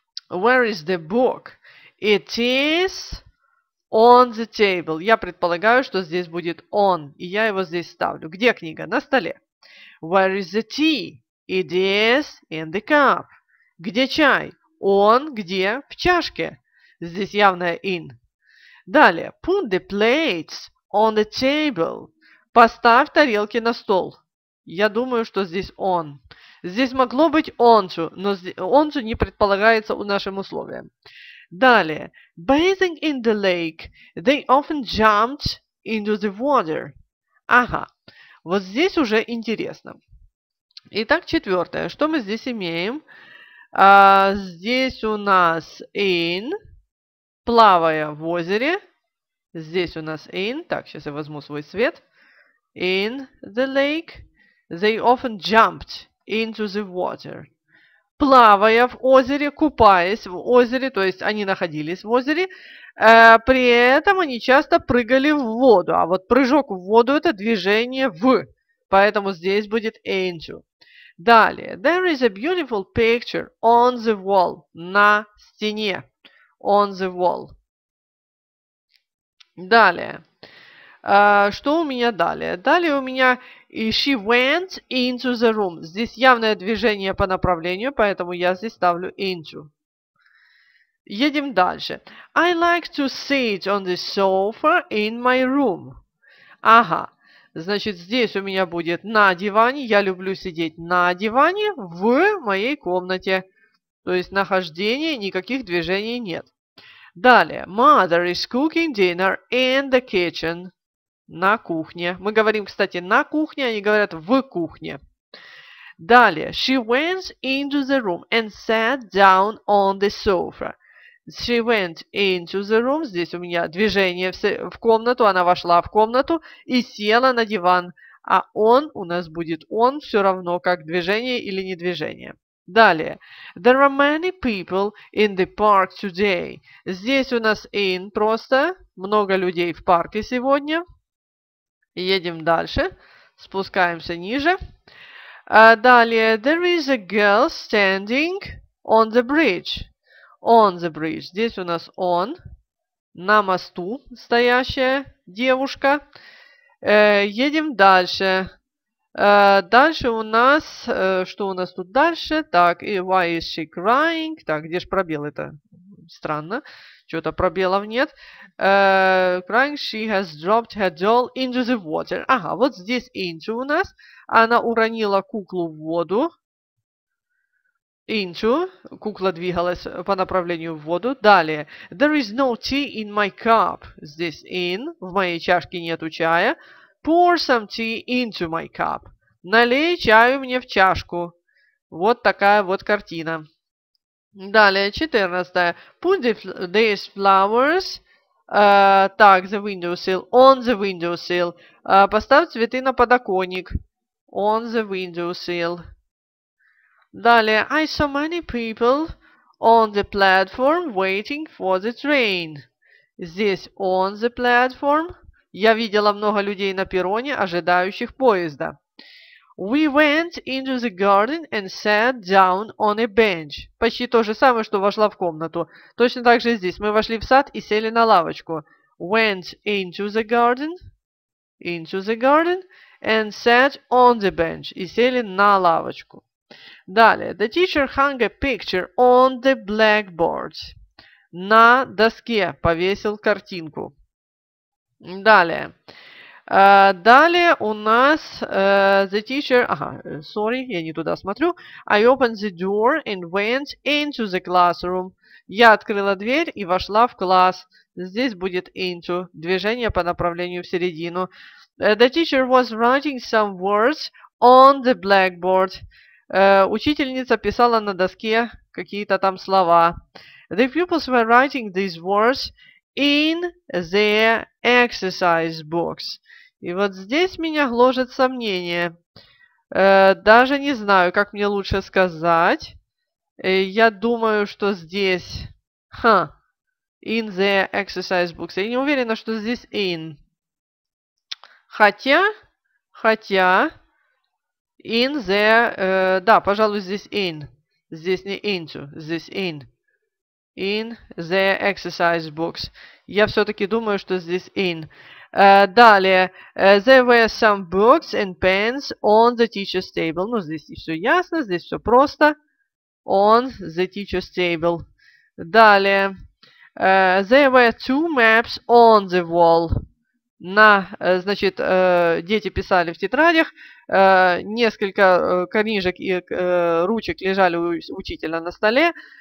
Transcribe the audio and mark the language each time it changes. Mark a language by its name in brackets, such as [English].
[English] Where is the book? It is on the table. [Russian] Я предполагаю, что здесь будет on. И я его здесь ставлю. Где книга? На столе. [English] Where is the tea? It is in the cup. [Russian] Где чай? Он где? В чашке. Здесь явное in. Далее. [English] Put the plates on the table. [Russian] Поставь тарелки на стол. Я думаю, что здесь он. Здесь могло быть onto, но onto не предполагается у нашим условиям. Далее. [English] Bathing in the lake, they often jumped into the water. [Russian] Ага. Вот здесь уже интересно. Итак, четвертое. Что мы здесь имеем? Здесь у нас in, плавая в озере. Здесь у нас in. Так, сейчас я возьму свой свет. [English] In the lake, they often jumped. Into the water. [Russian] Плавая в озере, купаясь в озере, то есть они находились в озере, при этом они часто прыгали в воду. А вот прыжок в воду это движение в. Поэтому здесь будет into. Далее. [English] There is a beautiful picture on the wall. [Russian] На стене. [English] On the wall. [Russian] Далее. Что у меня далее? Далее у меня [English] she went into the room. [Russian] Здесь явное движение по направлению, поэтому я здесь ставлю into. Едем дальше. [English] I like to sit on the sofa in my room. [Russian] Ага. Значит, здесь у меня будет на диване. Я люблю сидеть на диване в моей комнате. То есть нахождение, никаких движений нет. Далее. [English] Mother is cooking dinner in the kitchen. [Russian] На кухне. Мы говорим, кстати, на кухне, они говорят в кухне. Далее. [English] She went into the room and sat down on the sofa. She went into the room. [Russian] Здесь у меня движение в комнату. Она вошла в комнату и села на диван. А он у нас будет он все равно, как движение или недвижение. Далее. [English] There are many people in the park today. [Russian] Здесь у нас in просто. Много людей в парке сегодня. Едем дальше. Спускаемся ниже. Далее. [English] There is a girl standing on the bridge. On the bridge. [Russian] Здесь у нас [English] on. [Russian] на мосту стоящая девушка. Едем дальше. Дальше у нас... что у нас тут дальше? Так, [English] why is she crying? [Russian] Так, где же пробел? Это странно. Чего-то пробелов нет. [English] Crying, she has dropped her doll into the water. [Russian] Ага, вот здесь into у нас. Она уронила куклу в воду. [English] Into. [Russian] Кукла двигалась по направлению в воду. Далее. [English] There is no tea in my cup. [Russian] Здесь [English] in. [Russian] В моей чашке нету чая. [English] Pour some tea into my cup. [Russian] Налей чаю мне в чашку. Вот такая вот картина. Далее, [English] 14. Put these flowers [Russian] так, [English] the windowsill. On the windowsill. [Russian] Поставь цветы на подоконник. [English] On the windowsill. Далее, I saw many people on the platform waiting for the train. [Russian] Здесь [English] on the platform. [Russian] Я видела много людей на перроне, ожидающих поезда. [English] We went into the garden and sat down on a bench. [Russian] Почти то же самое, что вошла в комнату. Точно так же здесь. Мы вошли в сад и сели на лавочку. [English] Went into the garden and sat on the bench. [Russian] И сели на лавочку. Далее. [English] The teacher hung a picture on the blackboard. [Russian] На доске повесил картинку. Далее. Далее у нас [English] the teacher... [Russian] Ага, [English] sorry, [Russian] я не туда смотрю. [English] I opened the door and went into the classroom. [Russian] Я открыла дверь и вошла в класс. Здесь будет into. Движение по направлению в середину. [English] The teacher was writing some words on the blackboard. [Russian] Учительница писала на доске какие-то там слова. [English] The pupils were writing these words in their exercise books. [Russian] И вот здесь меня гложет сомнение. Даже не знаю, как мне лучше сказать. Я думаю, что здесь... Ха. [English] In the exercise books. [Russian] Я не уверена, что здесь in. Хотя... Хотя... [English] In the... [Russian] да, пожалуй, здесь in. Здесь не into. Здесь [English] in. In the exercise books. [Russian] Я все-таки думаю, что здесь in. Далее. [English] There were some books and pens on the teacher's table. [Russian] Ну, здесь все ясно, здесь все просто. [English] On the teacher's table. [Russian] Далее. [English] There were two maps on the wall. [Russian] На, значит, дети писали в тетрадях. Несколько книжек и ручек лежали у учителя на столе.